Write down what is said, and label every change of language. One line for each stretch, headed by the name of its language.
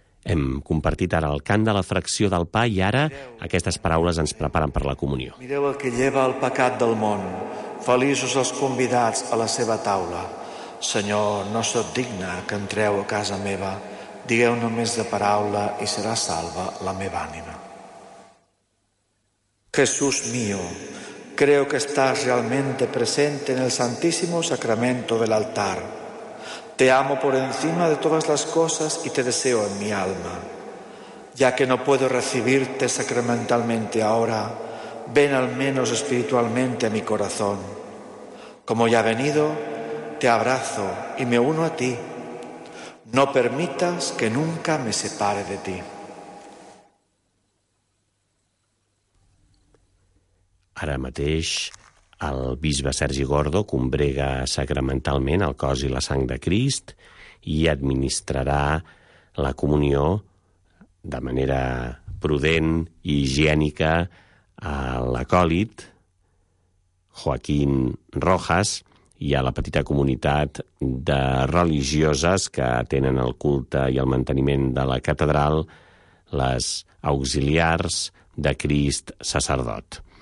Catalan: Hem compartit ara el cant de la fracció del pa i ara aquestes paraules ens preparen per la comunió. Mireu el que lleva el pecat del món. Feliços els convidats a la seva taula. Senyor, no sóc digne que entreu a casa meva. Digueu només de paraula i serà salva la meva ànima.
Spanish: Jesús mío, creo que estás realmente presente en el Santísimo Sacramento del altar. Te amo por encima de todas las cosas y te deseo en mi alma. Ya que no puedo recibirte sacramentalmente ahora, ven al menos espiritualmente a mi corazón. Como ya ha venido, te abrazo y me uno a ti. No permitas que nunca me separe de ti.
Catalan: Ara mateix, el bisbe Sergi Gordo combrega sacramentalment el cos i la sang de Crist i administrarà la comunió de manera prudent i higiènica a l'acòlit Joaquín Rojas i a la petita comunitat de religioses que atenen el culte i el manteniment de la catedral, les auxiliars de Crist sacerdot.